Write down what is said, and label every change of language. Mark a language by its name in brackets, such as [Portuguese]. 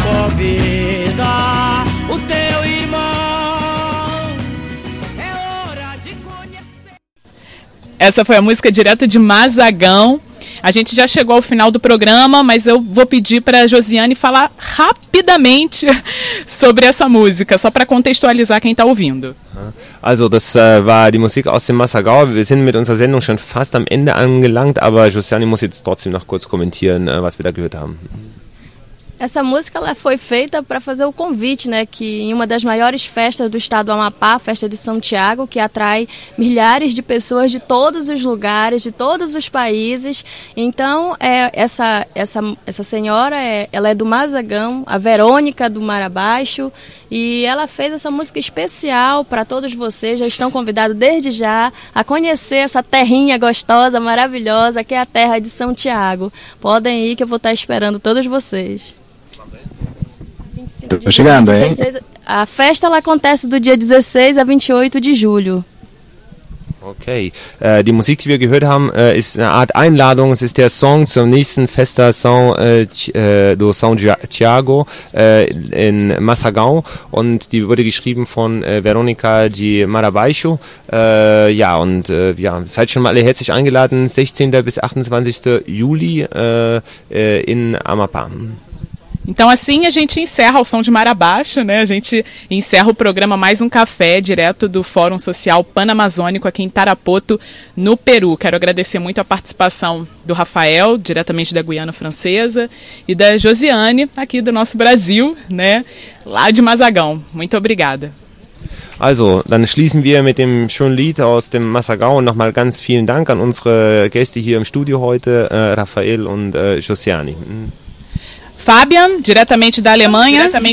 [Portuguese] Convida o teu irmão. Essa foi a música direta de Mazagão. A gente já chegou ao final do programa, mas eu vou pedir para a Josiane falar rapidamente sobre essa música, só para contextualizar quem está ouvindo. [German] Also, das war die Musik aus dem Mazagão. Wir sind mit unserer Sendung schon fast am Ende angelangt, aber Josiane muss jetzt trotzdem noch kurz kommentieren, was wir da gehört haben. [Portuguese] Essa música ela foi feita para fazer o convite, né, que em uma das maiores festas do estado do Amapá, a festa de São Tiago, que atrai milhares de pessoas de todos os lugares, de todos os países. Então, essa senhora, ela é do Mazagão, a Verônica do Mar Abaixo, e ela fez essa música especial para todos vocês. Já estão convidados desde já a conhecer essa terrinha gostosa, maravilhosa, que é a terra de São Tiago. Podem ir que eu vou estar esperando todos vocês. Tô chegando, hein? A festa ela acontece do dia 16 a 28 de julho. Ok. [German] Die Musik, die wir gehört haben, ist eine Art Einladung. Es ist der Song zum nächsten Festa do São Tiago in Mazagão. Und die wurde geschrieben von Verônica de Mar Abaixo. Ja, und ja, seid schon mal alle herzlich eingeladen. 16. bis 28. Juli in Amapá. [Portuguese] Então assim a gente encerra o som de Mar Abaixo, né? A gente encerra o programa Mais um Café, direto do Fórum Social Pan-Amazônico aqui em Tarapoto, no Peru. Quero agradecer muito a participação do Rafael, diretamente da Guiana Francesa, e da Josiane, aqui do nosso Brasil, né? Lá de Mazagão. Muito obrigada. [German] Also, dann schließen wir mit dem schönen Lied aus dem Mazagão und nochmal ganz vielen Dank an unsere Gäste hier im Studio heute, Rafael und Josiane. [Portuguese] Fabian, diretamente da Alemanha.